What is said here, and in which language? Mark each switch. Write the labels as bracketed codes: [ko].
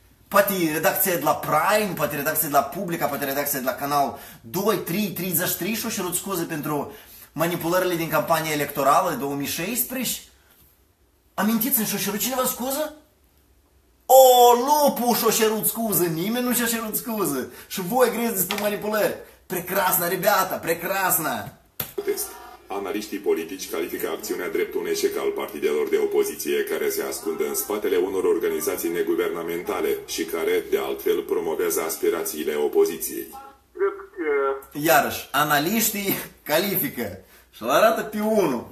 [ro] Poate redacția de la Prime, poate redacția de la Publica, poate redacția de la Canal 2, 3, 33 și-o cerut scuze pentru manipulările din campania electorală de 2016? Amintiți-mi și-o cerut cineva scuză? O, lupu și-o cerut scuză, nimeni nu și-o cerut scuză. Și voi grijiți despre manipulări. [ru] Прекрасно, ребята, прекрасно! [ro] Analiștii politici califică acțiunea drept un eșec al partidelor de opoziție care se ascunde în spatele unor organizații neguvernamentale și care, de altfel, promovează aspirațiile opoziției. Iarăși, analiștii califică și îl arată pe unul.